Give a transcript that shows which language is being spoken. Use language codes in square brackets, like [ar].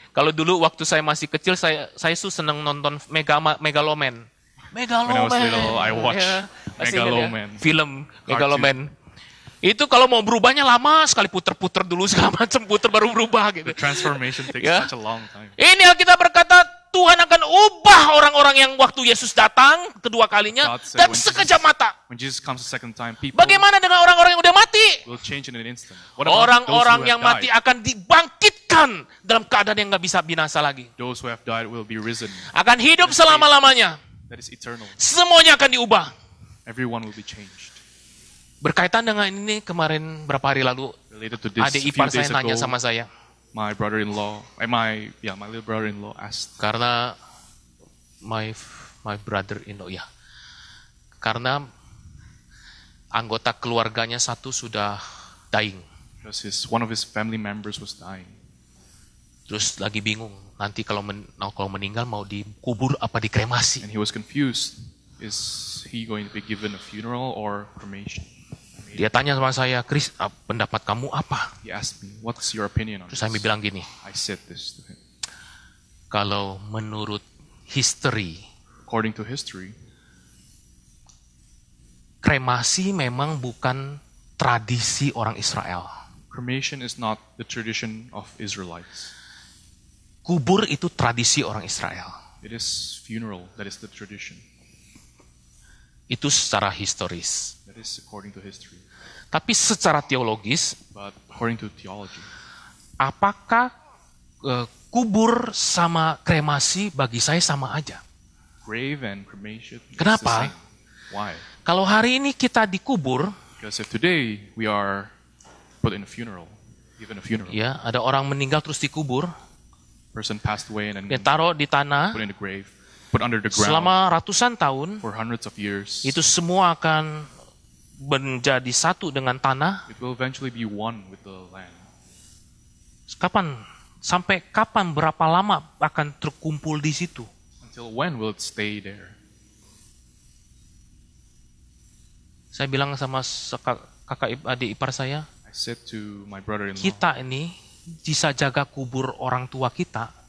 [id] Kalau dulu waktu saya masih kecil, saya tuh seneng nonton Megaloman. Megaloman. [en] When I was little, I watch yeah Megaloman. [id] Film Megaloman. Itu kalau mau berubahnya lama sekali, puter-puter dulu segala macam, puter baru berubah gitu. [en] The transformation takes yeah such a long time. [id] Ini Alkitab berkata, Tuhan akan ubah orang-orang yang waktu Yesus datang kedua kalinya dalam sekejap mata. [en] When Jesus comes the second time, people, [id] bagaimana dengan orang-orang yang udah mati? [en] Will change in an instant. [id] Orang-orang yang mati akan dibangkitkan dalam keadaan yang gak bisa binasa lagi. [en] Those who have died will be risen. [id] Akan hidup selama-lamanya. [en] That is eternal. [id] Semuanya akan diubah. [en] Everyone will be changed. [id] Berkaitan dengan ini, kemarin berapa hari lalu, adik ipar saya nanya sama saya. [en] My brother-in-law, my little brother-in-law asked. [id] Karena [en] my brother-in-law, ya. [id] Karena anggota keluarganya satu sudah dying. [en] Because one of his family members was dying. [id] Terus lagi bingung, nanti kalau meninggal mau dikubur apa dikremasi. [en] And he was confused. Is he going to be given a funeral or cremation? [id] Dia tanya sama saya, Chris, pendapat kamu apa? [en] He asked me, what's your opinion on [id] this? Terus saya bilang gini, [en] I said this to him. [id] Kalau menurut history, [en] according to history, [id] kremasi memang bukan tradisi orang Israel. [en] Cremation is not the tradition of Israelites. [id] Kubur itu tradisi orang Israel. [en] It is funeral that is the tradition. [id] Itu secara historis. [en] That is according to history. [id] Tapi secara teologis, [en] but according to theology, [id] apakah kubur sama kremasi bagi saya sama aja? [en] Grave and cremation. [id] Kenapa? [en] Why? [id] Kalau hari ini kita dikubur, [en] because if today we are put in a funeral, even a funeral. [id] Ya, ada orang meninggal terus dikubur. [en] Person passed away and [id] then ditaruh di tanah. [en] Put in the grave. Put under the ground. [id] Selama ratusan tahun, [en] for hundreds of years, [id] itu semua akan menjadi satu dengan tanah. [en] It will eventually be one with the land. [id] Kapan? Sampai kapan? Berapa lama akan terkumpul di situ? [en] Until when will it stay there? [id] Saya bilang sama adik ipar saya. [en] I said to my brother-in-law. [id] Kita ini bisa jaga kubur orang tua kita.